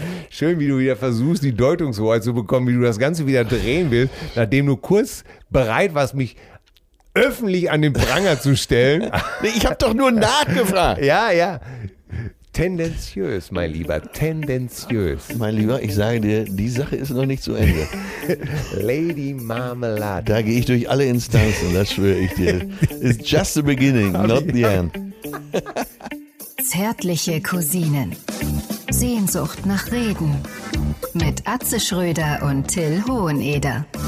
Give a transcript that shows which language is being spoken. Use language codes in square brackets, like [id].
[de] Schön, wie du wieder versuchst, die Deutungshoheit zu bekommen, wie du das Ganze wieder drehen willst, nachdem du kurz bereit warst, mich öffentlich an den Pranger zu stellen. Ich habe doch nur nachgefragt. Ja, ja. Tendenziös, mein Lieber. Tendenziös. Mein Lieber, ich sage dir, die Sache ist noch nicht zu Ende. Lady Marmelade. Da gehe ich durch alle Instanzen, das schwöre ich dir. [en] It's just the beginning, not the end. [de] Zärtliche Cousinen. Sehnsucht nach Reden. Mit Atze Schröder und Till Hoheneder.